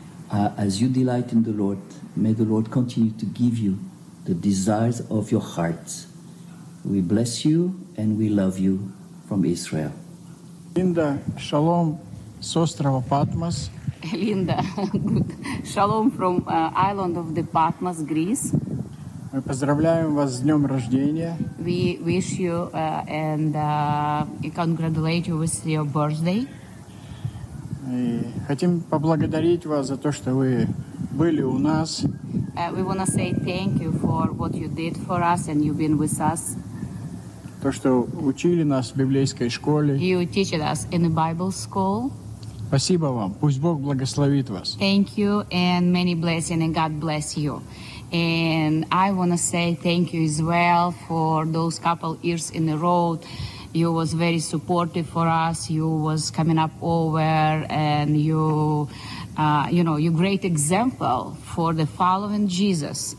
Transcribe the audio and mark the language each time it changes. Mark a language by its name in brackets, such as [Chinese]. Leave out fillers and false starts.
[English] As you delight in the Lord, may the Lord continue to give you the desires of your heart. We bless you and we love you from Israel. [Russian] Linda, shalom, с острова Патмос. [English] Linda, shalom from island of the Patmos, Greece. [Russian] Мы поздравляем вас с днем рождения. [English] We wish you and congratulate you with your birthday. [Russian] И хотим поблагодарить вас за то, что вы были у нас. [English] We want to say thank you for what you did for us and you've been with us. [Russian] То, что учили нас в библейской школе. [English] You teach us in the Bible school. [Russian] Спасибо вам. Пусть Бог благословит вас. [English] Thank you and many blessings and God bless you. And I want to say thank you as well for those couple years in the road. You was very supportive for us. You was coming up over and you, you know, you great example for the following Jesus.